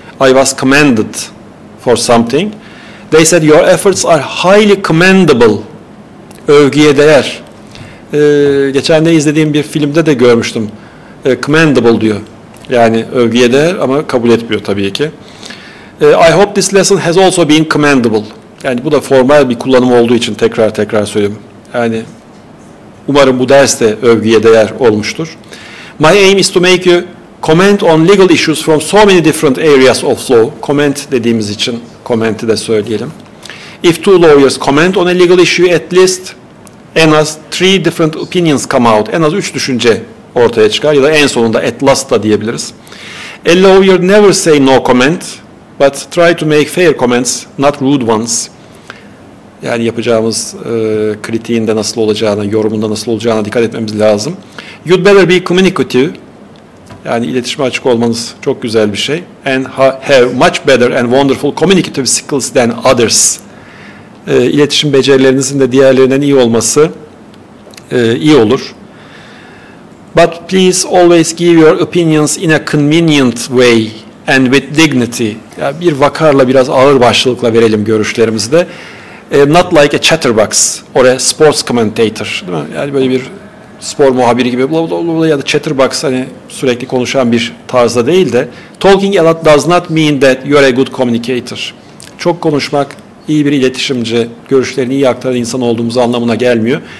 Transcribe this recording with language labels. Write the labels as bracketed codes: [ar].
[en] I was commended for something. They said your efforts are highly commendable. [tr] Övgüye değer. Geçen de izlediğim bir filmde de görmüştüm. Commendable diyor. Yani övgüye değer ama kabul etmiyor tabii ki. [en] I hope this lesson has also been commendable. [tr] Yani bu da formal bir kullanım olduğu için tekrar tekrar söyleyeyim. Yani umarım bu ders de övgüye değer olmuştur. [en] My aim is to make you comment on legal issues from so many different areas of law. [tr] Comment dediğimiz için comment'i de söyleyelim. [en] If two lawyers comment on a legal issue, at least [tr] en az [en] three different opinions come out. [tr] En az üç düşünce ortaya çıkar ya da en sonunda [en] at last [tr] da diyebiliriz. [en] A lawyer never say no comment, but try to make fair comments, not rude ones. [tr] Yani yapacağımız kritiğin de nasıl olacağına, yorumunda nasıl olacağına dikkat etmemiz lazım. [en] You'd better be communicative. [tr] Yani iletişime açık olmanız çok güzel bir şey. [en] And have much better and wonderful communicative skills than others. [tr] İletişim becerilerinizin de diğerlerinden iyi olması iyi olur. [en] But please always give your opinions in a convenient way and with dignity. [tr] Yani bir vakarla, biraz ağır başlılıkla verelim görüşlerimizi de. [en] Not like a chatterbox or a sports commentator. [tr] Değil mi? Yani böyle bir spor muhabiri gibi bla bla bla ya da chatterbox, hani sürekli konuşan bir tarzda değil de. [en] Talking a lot does not mean that you're a good communicator. [tr] Çok konuşmak iyi bir iletişimci, görüşlerini iyi aktaran insan olduğumuz anlamına gelmiyor.